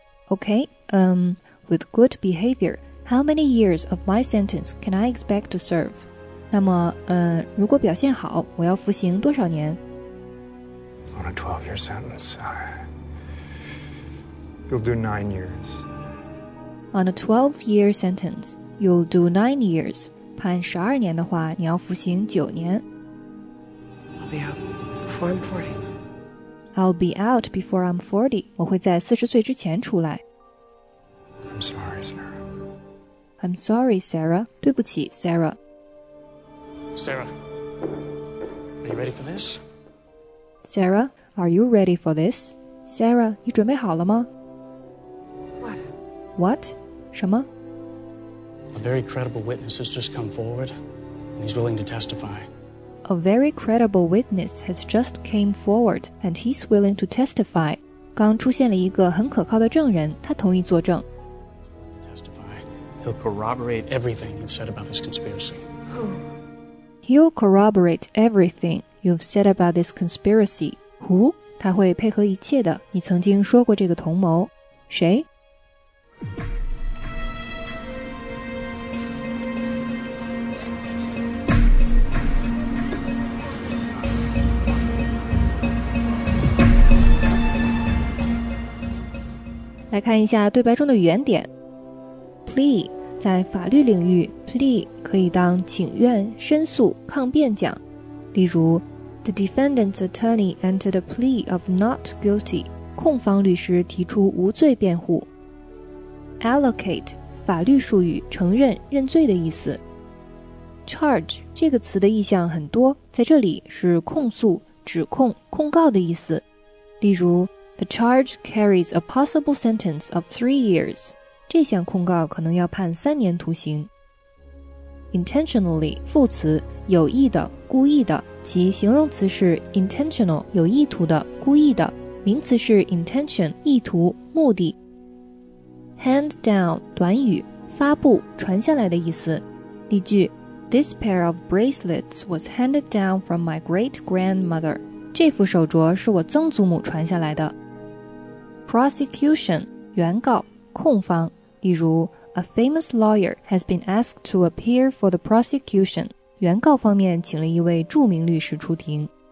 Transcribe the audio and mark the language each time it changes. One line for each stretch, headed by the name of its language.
English: Okay, with good behavior, how many years of my sentence can I expect to serve?
Chinese: 那么，如果表现好，我要服刑多少年？
English: On a 12-year sentence, you'll do 9 years. On a 12-year sentence, you'll do 9 years.
Chinese: 判十二年的话，你要服刑九年。
English: I'll be out. Before I'm 40. I'll be out before I'm 40.
Chinese: 我会在40岁之前出来。
English: I'm sorry, Sarah. I'm sorry, Sarah.
Chinese: 对不起
English: Sarah. Sarah, are you ready for this? Sarah, are you ready for this? Sarah,
Chinese: 你准备好了吗？
English: What?
Chinese: 什么
English: ？A very credible witness has just come forward, and he's willing to testify. A very credible witness has just came forward, and he's willing to testify.
Chinese: 刚出现了一个很可靠的证人，他同意作证。
English: Testify. He'll corroborate everything you've said about this conspiracy. He'll corroborate everything you've said about this conspiracy. Who?
Chinese: 他会配合一切的。你曾经说过这个同谋，谁？来看一下对白中的语言点。 Plea 在法律领域 ，plea 可以当请愿、申诉、抗辩讲。例如
English: ，The defendant's attorney entered a plea of not guilty.
Chinese: 控方律师提出无罪辩护。 Allocate 法律术语，承认、认罪的意思。 Charge 这个词的意象很多，在这里是控诉、指控、控告的意思。例如。
English: The charge carries a possible sentence of 3 years.
Chinese: 这项控告可能要判三年徒刑。 Intentionally, 副词，有意的、故意的，其形容词是 intentional, 有意图的、故意的，名词是 intention, 意图、目的。 Hand down, 短语，发布、传下来的意思。例句
English: This pair of bracelets was handed down from my great-grandmother.
Chinese: 这副手镯是我曾祖母传下来的。 Prosecution, 原告、控方。例如
English: ,A famous lawyer has been asked to appear for the prosecution.
Chinese: 原告方面请了一位著名律师出庭。